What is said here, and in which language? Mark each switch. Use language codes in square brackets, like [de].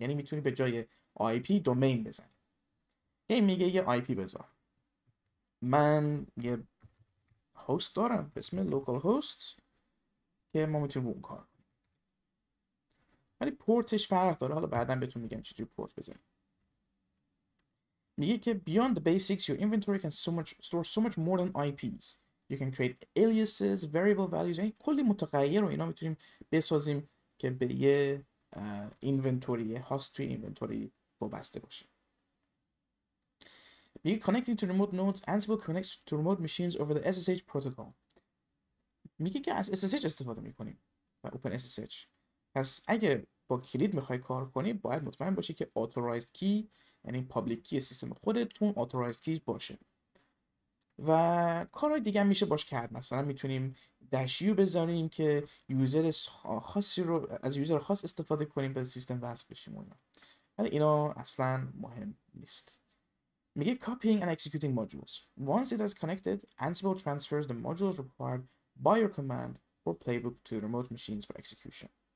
[fa] یعنی میتونی به جای IP domain بزنی. یه میگه یه IP بذار. من یه host دارم به اسم localhost که ما میتونیم اون کار کنیم. ولی پورتش فرق داره. حالا بعدا بهتون میگم چجوری پورت بزنیم. میگه که [en] beyond the basics, your inventory can store so much more than IPs. You can create aliases, variable values, [fa] یعنی کلی متغیر رو اینا میتونیم بسازیم که به یه inventory، یه host توی inventory وابسته باشه. [en] میگه connecting to remote nodes, Ansible connects to remote machines over the SSH protocol. [fa] میگه که از SSH استفاده میکنیم و OpenSSH. پس اگه با کلید میخوای کار کنی باید مطمئن باشی که authorized key، یعنی public key سیستم خودتون authorized key باشه. و کارهای دیگه هم میشه باش کرد، مثلا میتونیم داشیو بذاریم که یوزر خاصی رو از یوزر خاص استفاده کنیم به سیستم وصل بشیم و اینا، ولی اینا اصلا مهم نیست. [en] میگه copying and executing modules. Once it has connected, Ansible transfers the modules required by your command or playbook to the remote machines for execution.